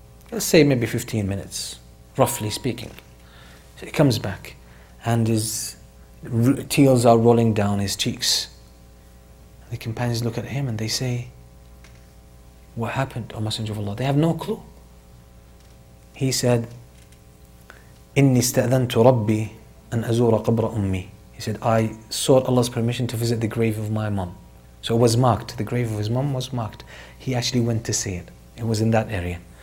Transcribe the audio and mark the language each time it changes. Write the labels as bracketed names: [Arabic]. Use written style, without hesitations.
[English] Let's say maybe 15 minutes, roughly speaking. So he comes back, and his tears are rolling down his cheeks. The companions look at him and they say, what happened, O Messenger of Allah? They have no clue. He said, [Arabic] إني استأذنت ربي أن أزور قبر أمي. [English] He said, I sought Allah's permission to visit the grave of my mom. So it was marked, the grave of his mom was marked. He actually went to see it. It was in that area.